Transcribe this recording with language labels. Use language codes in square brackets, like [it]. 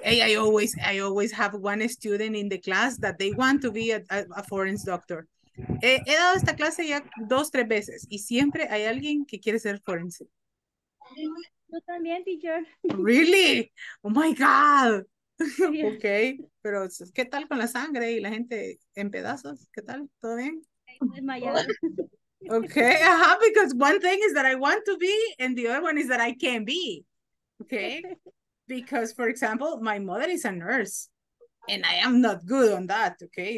[en] Hey, I always have one student in the class that they want to be a foreign doctor. [es] He dado esta clase ya dos, tres veces y siempre hay alguien que quiere ser forense. Yo también, teacher. [en] Really? Oh my God. Yeah. [es] Okay, pero ¿qué tal con la sangre y la gente en pedazos? ¿Qué tal? ¿Todo bien? [en] Okay, because one thing is that I want to be and the other one is that I can be. Okay? Because, for example, my mother is a nurse, and I am not good on that, okay?